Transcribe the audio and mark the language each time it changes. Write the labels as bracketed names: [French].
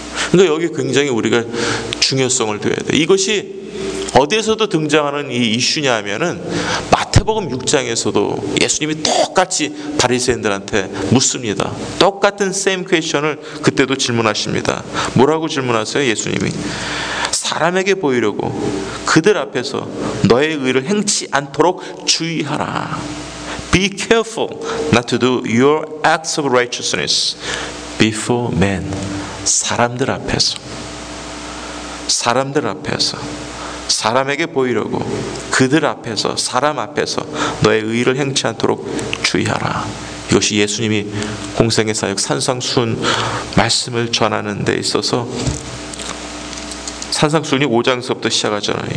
[Korean] 그러니까 여기 굉장히 우리가 중요성을 둬야 돼. 이것이 어디에서도 등장하는 이 이슈냐 하면은, 마태복음 6장에서도 예수님이 똑같이 바리새인들한테 묻습니다. 똑같은 [English] same question [Korean] 을 그때도 질문하십니다. 뭐라고 질문하세요? 예수님이 사람에게 보이려고 그들 앞에서 너의 의를 행치 않도록 주의하라. [English] Be careful not to do your acts of righteousness before men. [Korean] 사람들 앞에서. 사람들 앞에서. 사람에게 보이려고 그들 앞에서, 사람 앞에서 너의 의를 행치 않도록 주의하라. 이것이 예수님이 공생의 사역 산상순 말씀을 전하는 데 있어서, 산상순이 5장서부터 시작하잖아요.